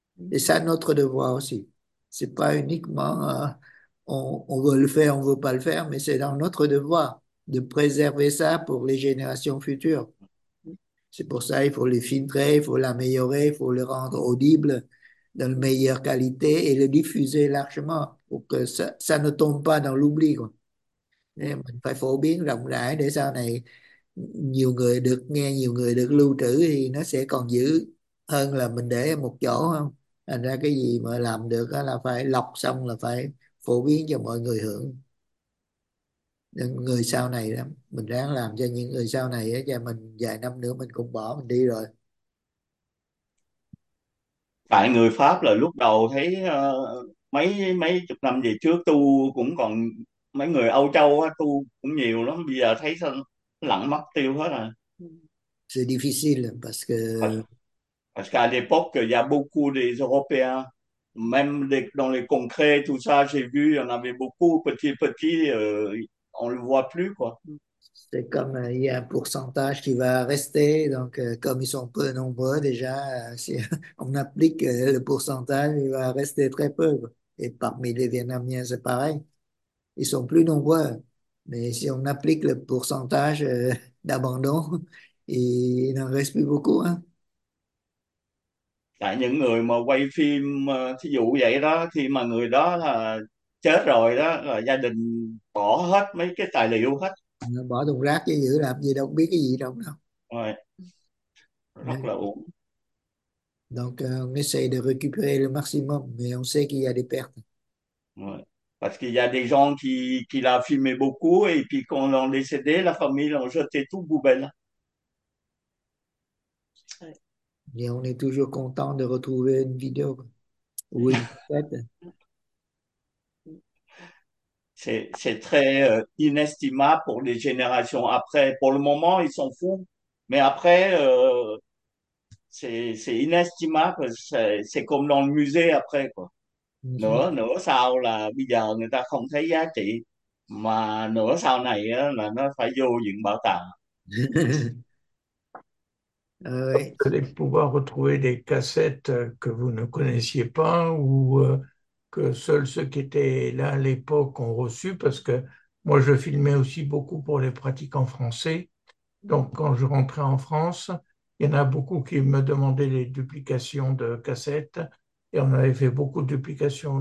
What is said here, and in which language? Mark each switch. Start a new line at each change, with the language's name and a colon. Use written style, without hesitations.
French: Et ça, notre devoir aussi. Ce n'est pas uniquement on veut le faire, on ne veut pas le faire, mais c'est dans notre devoir de préserver ça pour les générations futures. C'est pour ça qu'il faut le filtrer, il faut l'améliorer, il faut le rendre audible dans la meilleure qualité et le diffuser largement pour que ça ne tombe pas dans l'oubli, quoi.
Vietnamese: Mình phải phổ biến rộng rãi để sau này nhiều người được nghe, nhiều người được lưu trữ thì nó sẽ còn giữ hơn là mình để một chỗ không. Thành ra cái gì mà làm được đó là phải lọc xong là phải phổ biến cho mọi người hưởng. Những người sau này đó, mình ráng làm cho những người sau này đó, cho mình vài năm nữa mình cũng bỏ mình đi rồi. Tại người Pháp là lúc đầu thấy mấy mấy chục năm về trước tu cũng còn mấy người Âu Châu tu cũng nhiều lắm, bây giờ thấy sao lặn mất tiêu hết
French: C'est difficile parce
Vietnamese: rồi.
French: que Parce qu'à l'époque, il y a beaucoup des Européens, même dans les concrets, tout ça, j'ai vu, il y en avait beaucoup, petit petit, on le voit plus, quoi. c'est comme il y a un pourcentage qui va rester, donc comme ils sont peu nombreux déjà, si on applique le pourcentage, il va rester très peu. Et parmi les Vietnamiens, c'est pareil, ils sont plus nombreux, mais si on applique le pourcentage d'abandon, il n'en reste plus beaucoup, hein.
Vietnamese: Tại những người mà quay phim thí dụ vậy đó, khi mà người đó là chết rồi đó, là gia đình bỏ hết mấy cái tài liệu hết Bỏ thùng rác chứ giữ làm gì, đâu biết cái gì đâu đâu. rồi, rất Đấy. là uổng.
French: Donc on essaye de récupérer le maximum, mais on sait qu'il y a des pertes. Ouais. Parce qu'il y a des gens qui l'a filmé beaucoup, et puis quand l'ont décédé, la famille l'ont jeté tout poubelle. Et on est toujours content de retrouver une vidéo ou une tête. C'est très inestimable pour les générations après. Pour le moment, ils s'en foutent, mais après, c'est inestimable. C'est comme dans le musée après, quoi.
Vietnamese: Nửa nửa sau là bây giờ người ta không thấy giá trị, mà nửa sau này là nó phải vô viện bảo tàng.
French: Ouais. Allez pouvoir retrouver des cassettes que vous ne connaissiez pas ou que seuls ceux qui étaient là à l'époque ont reçu, parce que moi je filmais aussi beaucoup pour les pratiquants français. Donc quand je rentrais en France, il y en a beaucoup qui me demandaient les duplications de cassettes et on avait fait beaucoup de duplications.